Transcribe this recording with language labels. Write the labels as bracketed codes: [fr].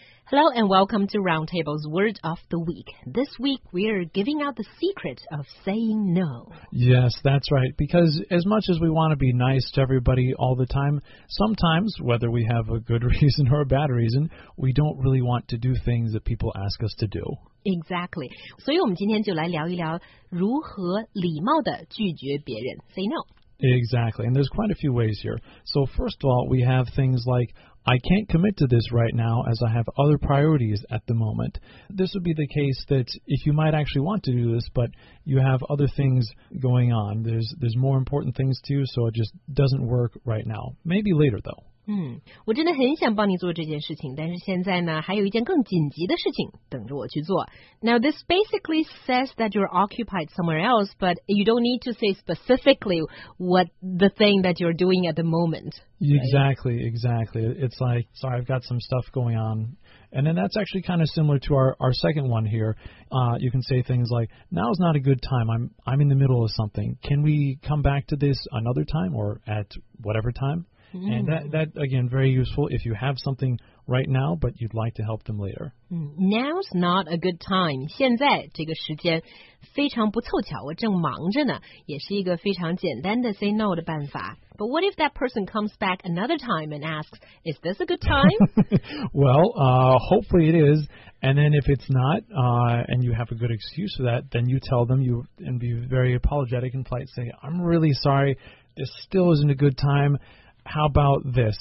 [en] Hello and welcome to Roundtable's Word of the Week. This week, we are giving out the secret of saying no. Yes, that's right. Because as much as we want to be nice to everybody all the time, sometimes, whether we have a good reason or a bad reason, we don't really want to do things that people ask us to do. Exactly. [zh] 所以我们今天就来聊一聊如何礼貌地拒绝别人 [en] Say no. Exactly. And there's quite a few ways here. So first of all, we have things like,I can't commit to this right now as I have other priorities at the moment. This would be the case that if you might actually want to do this, but you have other things going on, there's more important things to you, so it just doesn't work right now. Maybe later, though. [zh] 我真的很想帮你做这件事情，但是现在呢，还有一件更紧急的事情等着我去做。 [en] Now, this basically says that you're occupied somewhere else, but you don't need to say specifically what the thing that you're doing at the moment. Right? Exactly, exactly. It's like, sorry, I've got some stuff going on. And then that's actually kind of similar to our second one here. You can say things like, now's not a good time. I'm in the middle of something. Can we come back to this another time or at whatever time? And that, again, very useful if you have something right now, but you'd like to help them later. Now's not a good time. [zh] 现在这个时间非常不凑巧，我正忙着呢，也是一个非常简单的 [en] say no [zh] 的办法。 [en] But what if that person comes back another time and asks, is this a good time? Well, hopefully it is. And then if it's not, and you have a good excuse for that, then you tell them and be very apologetic and polite, say, I'm really sorry, this still isn't a good time. How about this?